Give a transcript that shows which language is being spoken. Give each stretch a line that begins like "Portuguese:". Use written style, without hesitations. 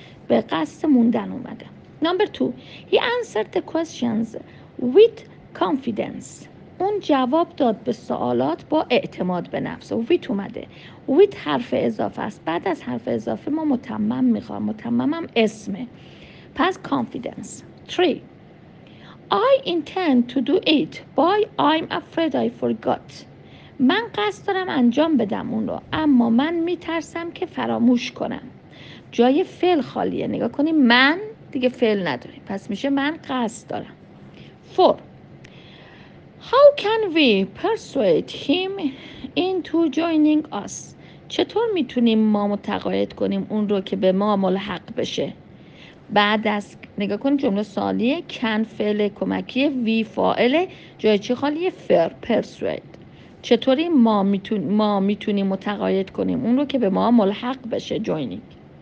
Persian: به قصد موندن اومده.
English: Number 2. He answered the questions with confidence.
Persian: اون جواب داد به سوالات با اعتماد به نفس. ویت اومده. ویت حرف اضافه است. بعد از حرف اضافه ما متمم میخوام. متممم اسمه. پس کانفیدنس. 3.
English: I intend to do it but I'm afraid I forgot.
Persian: من قصد دارم انجام بدم اون رو، اما من میترسم که فراموش کنم. جای فعل خالیه. نگاه کنیم من دیگه فعل نداریم. پس میشه من قصد دارم. 4.
English: How can we persuade him into joining us?
Persian: چطور میتونیم ما متقاعد کنیم اون رو که به ما ملحق بشه؟ بعد از نگاه کن جمله سوالیه، can فعل کمکیه، we فاعل، جای چی خالیه؟
English: for persuade.
Persian: چطوری ما میتونیم متقاعد کنیم اون رو که به ما ملحق بشه joining.